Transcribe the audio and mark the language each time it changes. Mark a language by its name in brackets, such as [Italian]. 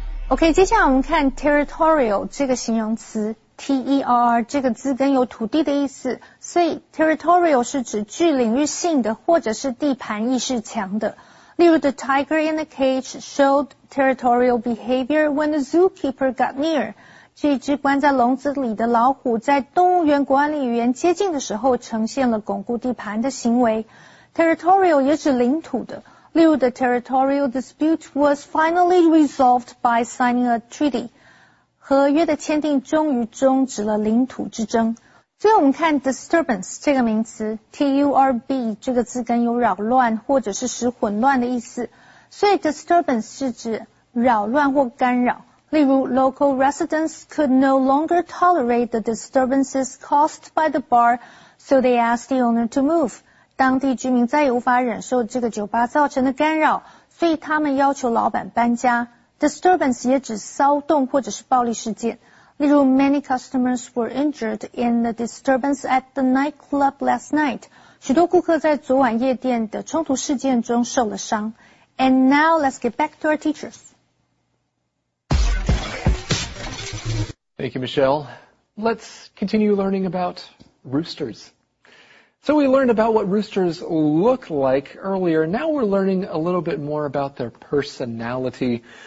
[Chinese] Okay, 接下来我们看 territorial 这个形容词。 T-E-R 这个字根有土地的意思，所以 territorial 是指具领域性的或者是地盘意识强的。例如 [English] The tiger in the cage showed territorial behavior when the zookeeper got near. [Chinese] 这只关在笼子里的老虎在动物园管理员接近的时候呈现了巩固地盘的行为。 [English] Territorial [Chinese] 也指领土的。例如 [English] The territorial dispute was finally resolved by signing a treaty. [Chinese] 合约的签订终于终止了领土之争。最后我们看 disturbance 这个名词 ,turb 这个字根有扰乱或者是使混乱的意思。所以 disturbance 是指扰乱或干扰。例如 [English] ,local residents could no longer tolerate the disturbances caused by the bar, so they asked the owner to move. [Chinese] 当地居民再也无法忍受这个酒吧造成的干扰所以他们要求老板搬家。 Disturbance 也指骚动或者是暴力事件。例如 [English] ,many customers were injured in the disturbance at the nightclub last night. [Chinese] 许多顾客在昨晚夜店的冲突事件中受了伤。 [English] And now let's get back to our teachers. Thank you, Michelle. Let's continue learning about roosters. So we learned about what roosters look like earlier. Now we're learning a little bit more about their personality.